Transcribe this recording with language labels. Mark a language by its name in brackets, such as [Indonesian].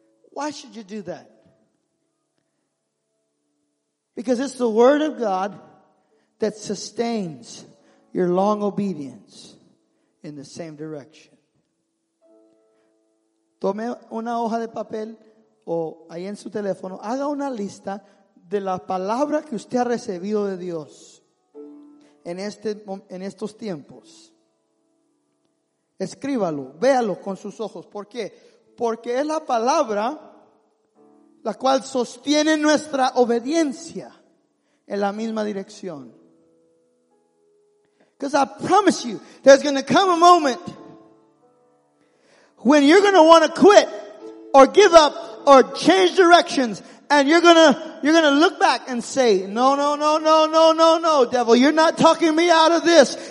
[English] Why should you do that? Because it's the word of God that sustains your long obedience in the same direction. [Spanish] Tome una hoja de papel o ahí en su teléfono. Haga una lista de la palabra que usted ha recibido de Dios en estos tiempos. Escríbalo, véalo con sus ojos. ¿Por qué? Porque es la palabra la cual sostiene nuestra obediencia en la misma dirección. [English] Because I promise you, there's going to come a moment when you're going to want to quit or give up or change directions. And you're gonna look back and say, no, no, no, no, no, no, no, devil, you're not talking me out of this.